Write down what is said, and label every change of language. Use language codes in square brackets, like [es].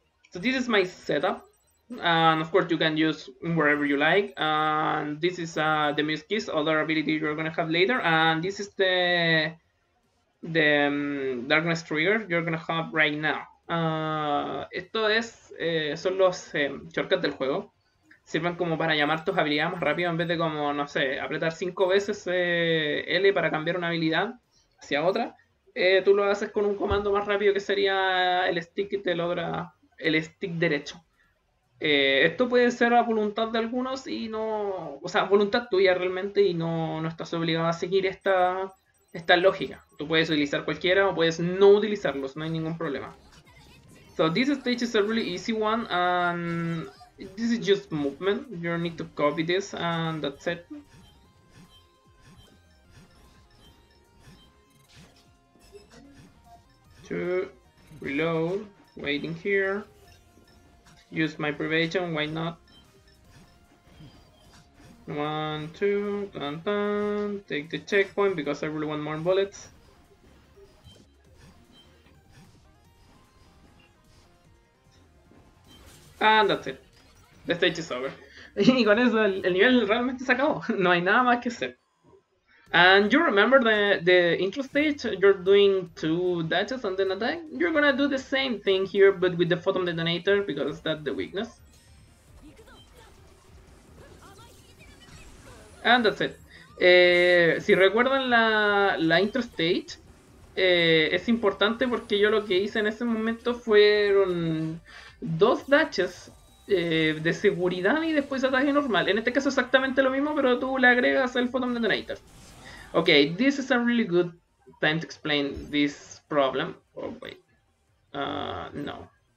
[en] So, this is my setup. And of course, you can use wherever you like. And this is the Muse Kiss, other ability you're gonna have later. And this is the Darkness Trigger you're gonna have right now. [es] Esto es son los shortcuts del juego. Sirven como para llamar tus habilidades más rápido en vez de como, no sé, apretar 5 veces L para cambiar una habilidad hacia otra. Tú lo haces con un comando más rápido que sería el stick que te logra el stick derecho. Esto puede ser a voluntad de algunos y no, o sea, voluntad tuya realmente y no estás obligado a seguir esta lógica. Tú puedes utilizar cualquiera o puedes no utilizarlos, no hay ningún problema. [en] So this stage is a really easy one and this is just movement. You need to copy this and that's it. to reload, waiting here. Use my privation, why not? One, two, dun, dun. Take the checkpoint because I really want more bullets. And that's it. The stage is over. [es] Y con eso el nivel realmente se acabó. No hay nada más que hacer. [en] And you remember the intro stage, you're doing two dashes and then attack? You're gonna do the same thing here but with the photon detonator because that's the weakness. And that's it. [es] Si recuerdan la intro stage, es importante porque yo lo que hice en ese momento fueron dos dashes de seguridad y después ataque normal. En este caso exactamente lo mismo, pero tú le agregas el photon detonator. [en] Okay, this is a really good time to explain this problem. Oh wait, no.